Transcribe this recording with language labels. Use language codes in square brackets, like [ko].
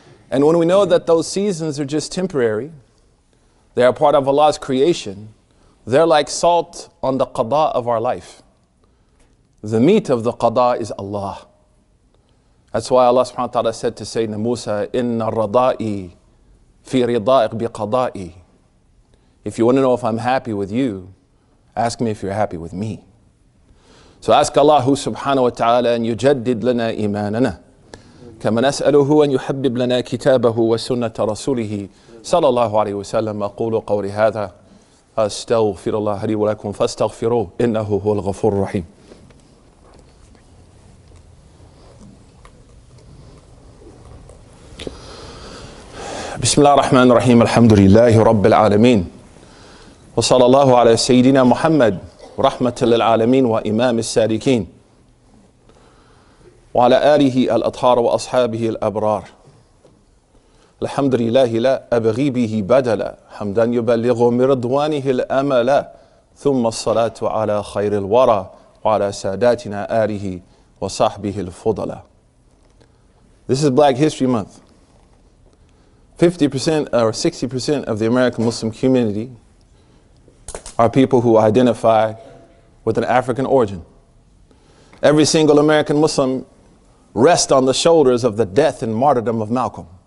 [en] And when we know that those seasons are just temporary, they are part of Allah's creation, they're like salt on the qada of our life. The meat of the qada is Allah. That's why Allah subhanahu wa ta'ala said to Sayyidina Musa, [ar] إِنَّ الرَّضَاءِ فِي رِضَائِقْ بِقَضَاءِ. [en] If you want to know if I'm happy with you, ask me if you're happy with me. So ask Allah subhanahu wa ta'ala [ar] أن يُجَدِّدْ لَنَا إِيمَانَنَا كَمَا نَسْأَلُهُ أَن يُحَبِّبْ لَنَا كِتَابَهُ وَسُنَّةَ رَسُولِهِ صلى الله عليه وسلم أقول قولي هذا أستغفر الله لي ولكم فاستغفروه إنه هو الغفور الرحيم. بسم الله الرحمن الرحيم الحمد لله رب العالمين وصلى الله على سيدنا محمد رحمة للعالمين وإمام السالكين وعلى آله الأطهار وأصحابه الأبرار. الحمد لله لا أبغي به بدلا حمدا يبلغ مرضوانه الأملا ثم الصلاة على خير الورى وعلى ساداتنا آله وصحبه الفضلا. [en] This is Black History Month. 50% or 60% of the American Muslim community are people who identify with an African origin. Every single American Muslim rests on the shoulders of the death and martyrdom of Malcolm.